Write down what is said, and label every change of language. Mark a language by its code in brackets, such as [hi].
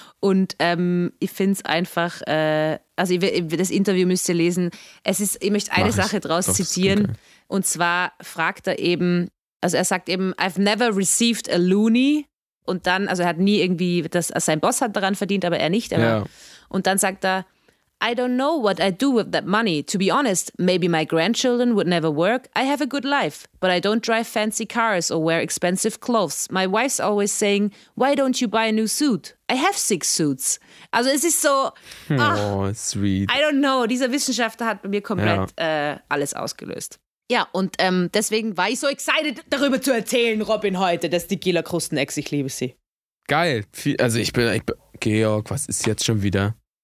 [de] Und ich finde es einfach, das Interview müsst ihr lesen. Ich möchte eine Sache daraus zitieren. Okay. Und zwar fragt er eben, also er sagt eben, [en] I've never received a loony. [de] Und dann, also er hat nie irgendwie, sein Boss hat daran verdient, aber er nicht. Aber, ja. Und dann sagt er, [en] I don't know what I do with that money. To be honest, maybe my grandchildren would never work. I have a good life, but I don't drive fancy cars or wear expensive clothes. My wife's always saying, why don't you buy a new suit? I have 6 suits. [de] Also es ist so, [en] sweet. I don't know. [de] Dieser Wissenschaftler hat bei mir komplett alles ausgelöst. Ja, und deswegen war ich so excited, darüber zu erzählen, Robin, heute, dass die Gila-Krusten-Ex, ich liebe sie. Geil. Also Georg, was ist jetzt schon wieder?